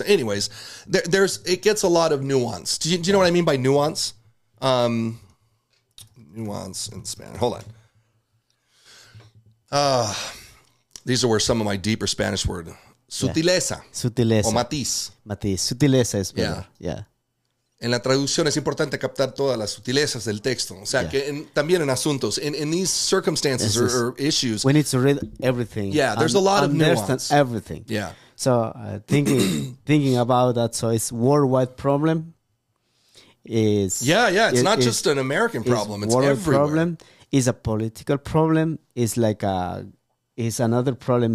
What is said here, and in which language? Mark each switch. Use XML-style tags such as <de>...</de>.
<en>Anyways, it gets a lot of nuance. Do you know what I mean by nuance? Nuance in Spanish. Hold on. These are where some of my deeper Spanish word.</en> <es>Sutileza. Yeah. Sutileza. O matiz. Matiz. Sutileza es verdad.</es> <en>Yeah.</en> <es>En la traducción es importante captar todas las sutilezas del texto. O sea, que también en asuntos,</es> <en>in these circumstances or issues. We need to read everything. Yeah, there's a lot of nuance. Understand everything. Yeah. So thinking about that, so it's worldwide problem. It's not just an American problem. It's worldwide everywhere. Problem. It's a political problem. It's like it's another problem.</en>